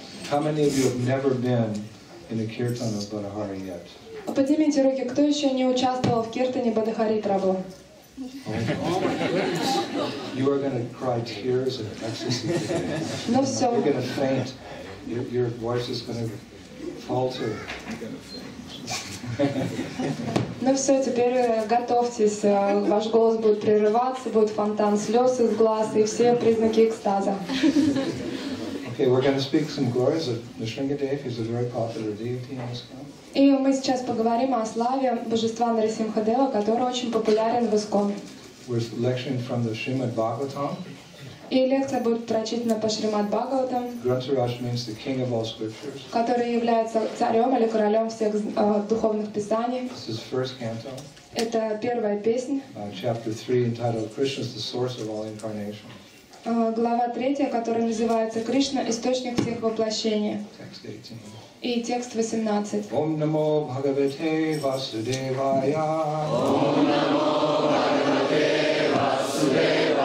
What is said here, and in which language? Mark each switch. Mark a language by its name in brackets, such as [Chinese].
[English] How many of you have never been in a kirtan of Badhari yet? [Russian] Поднимите руки, кто еще не участвовал в киртане Бадхари Прабху? [English] You are going to cry tears of ecstasy. No, so you're going to faint. Your voice is going to falter. [Russian] Ну все, теперь готовьтесь, ваш голос будет прерываться, будет фонтан слез из глаз и все признаки экстаза. [English] Okay, we're going to speak some glories of Nrisimhadev. He's a very popular deity in Iskcon. [Russian] И мы сейчас поговорим о славе божества Нарисимхадева, который очень популярен в Искон. [English] We're lecturing from the Srimad Bhagavatam. [Russian] И лекция будет прочитана по Шримад Бхагаватам. [English] Грантараш means the king of all scriptures. [Russian] Который является царем или королем всех духовных писаний. [English] This is first canto. [Russian] Это первая песня. [English] Chapter 3 entitled Krishna is the source of all incarnation. [Russian] Глава 3, которая называется Кришна источник всех воплощений. [English] Text 18. [Russian] И текст 18. [Sanskrit] Ом намо Бхагавате Васудевая. Ом намо Бхагавате Васудевая.